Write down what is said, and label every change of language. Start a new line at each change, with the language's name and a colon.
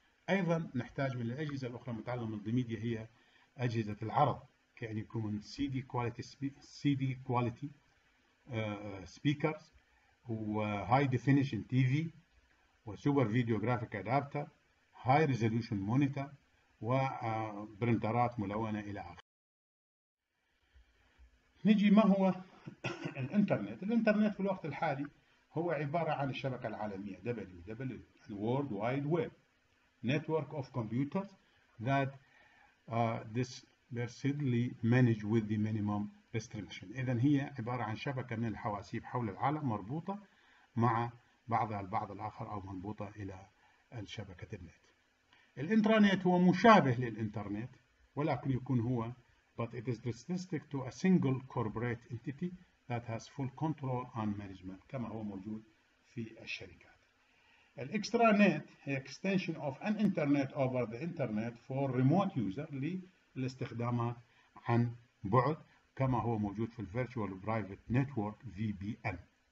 Arabic: أيضا نحتاج من الأجهزة الأخرى المتعلقة بالمالتي ميديا هي أجهزة العرض، كأن يكون CD quality speakers و high definition TV و super video graphic adapter، high resolution monitor و برنترات ملونة إلى آخر. نجي ما هو الانترنت. الانترنت في الوقت الحالي هو عبارة عن الشبكة العالمية
English: WWW World Wide Web Network of Computers that this basically managed with the minimum restriction.
Arabic: إذن هي عبارة عن شبكة من الحواسيب حول العالم مربوطة مع بعضها البعض الآخر أو مربوطة إلى الشبكة النت. الإنترنت هو مشابه للإنترنت، ولكن يكون هو
English: but it is restricted to a single corporate entity that has full control and management،
Arabic: كما هو موجود في الشركات. الإكسترانت هي
English: extension of an internet over the internet for remote user
Arabic: للاستخدامات عن بعد، كما هو موجود في
English: Virtual Private Network VPN.